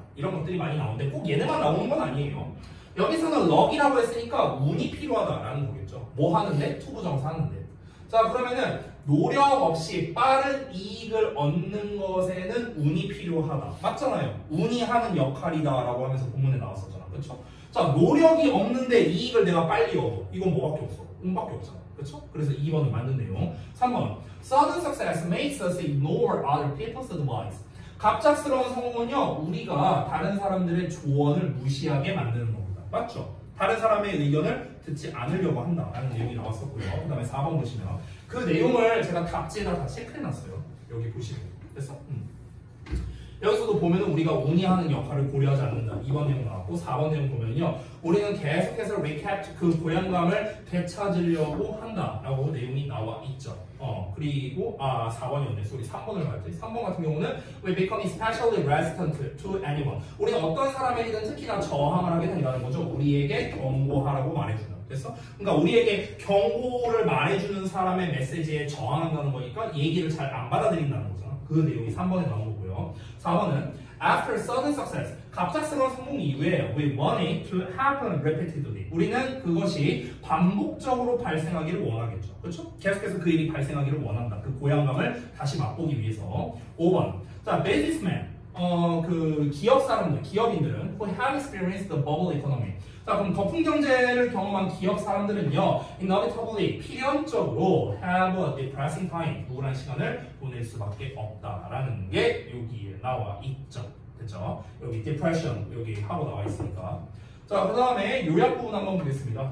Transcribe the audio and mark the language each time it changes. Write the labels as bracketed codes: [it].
[ko] 이런 것들이 많이 나오는데 꼭 얘네만 나오는 건 아니에요. 여기서는 럭이라고 했으니까 운이 필요하다라는 거겠죠. 뭐 하는데? 투 부정사 하는데. 자 그러면은 노력 없이 빠른 이익을 얻는 것에는 운이 필요하다. 맞잖아요. 운이 하는 역할이다 라고 하면서 본문에 나왔었잖아. 그쵸? 자 노력이 없는데 이익을 내가 빨리 얻어. 이건 뭐밖에 없어? 운밖에 없잖아. 그쵸? 그래서 2번은 맞는 내용. 3번. [en] Sudden success makes us ignore other people's advice. [ko] 갑작스러운 성공은요, 우리가 다른 사람들의 조언을 무시하게 만드는 겁니다. 맞죠? 다른 사람의 의견을 듣지 않으려고 한다라는 내용이 나왔었고요. 그 다음에 4번 보시면 그 내용을 제가 잡지에다 다 체크해놨어요. 여기 보시면. 됐어? 여기서도 보면 우리가 운이 하는 역할을 고려하지 않는다. 2번 내용 나왔고 4번 내용 보면요. 우리는 계속해서 recap 그 고향감을 되찾으려고 한다라고 내용이 나와 있죠. 그리고 4번이었네. 우리 3번을 봐야지. 3번 같은 경우는 [en] we become especially resistant to anyone. [ko] 우리 어떤 사람에게든 특히나 저항을 하게 된다는 거죠. 우리에게 경고하라고 말해준다. 됐어? 그러니까 우리에게 경고를 말해주는 사람의 메시지에 저항한다는 거니까 얘기를 잘 안 받아들인다는 거잖아. 그 내용이 3번에 나온 거고요. 4번은 [en] After sudden success, [ko] 갑작스러운 성공 이후에 [en] We want it to happen repeatedly. [ko] 우리는 그것이 반복적으로 발생하기를 원하겠죠. 그렇죠? 계속해서 그 일이 발생하기를 원한다. 그 고향감을 다시 맛보기 위해서. 5번 자, businessman, 그 기업 사람들, 기업인들은 [en] Who have experienced the bubble economy. [ko] 자, 그럼 거품 경제를 경험한 기업 사람들은요 Inevitably, 필연적으로 [en] Have a depressing time, [ko] 우울한 시간을 보낼 수밖에 없다라는 게 여기에 나와 있죠. 됐죠? 여기 depression 여기 하고 나와 있으니까. 자, 그 다음에 요약 부분 한번 보겠습니다.